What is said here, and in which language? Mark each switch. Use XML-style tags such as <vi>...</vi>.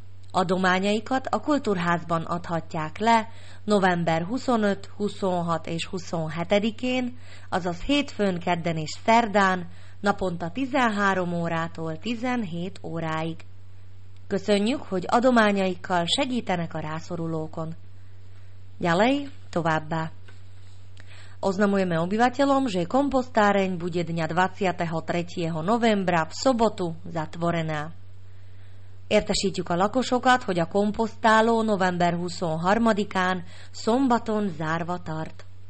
<hu>Adományaikat a kultúrházban adhatják le november 25, 26 és 27-én, azaz hétfőn, kedden és szerdán, naponta 13 órától 17 óráig. Köszönjük, hogy adományaikkal segítenek a rászorulókon.</hu> <sk>Ďalej,</sk> <hu>továbbá.</hu> <sk>Oznamujeme obyvateľom, že kompostáreň bude dňa 23. novembra v sobotu zatvorená.</sk> <hu>Értesítjük a lakosokat, hogy a kompostáló november 23-án szombaton zárva tart.</hu>